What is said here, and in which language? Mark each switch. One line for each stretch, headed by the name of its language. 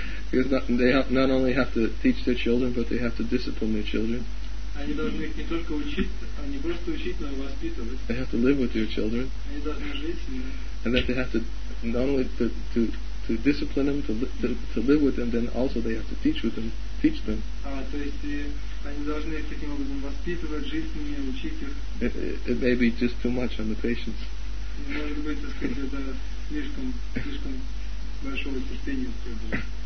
English: Because they not only have to teach their children, but they have to discipline their children.
Russian: Они должны их не только учить, а не просто учить, но и воспитывать.
English: They have to live with your children.
Russian: Они должны жить с ними.
English: And that they have to not only to discipline them, to live with them, then also they have to teach with them, teach them.
Russian: То есть они должны их таким образом воспитывать, жить с ними, учить их.
English: It may be just too much on the patience.
Russian: Может быть, так сказать, это слишком большого терпения требует.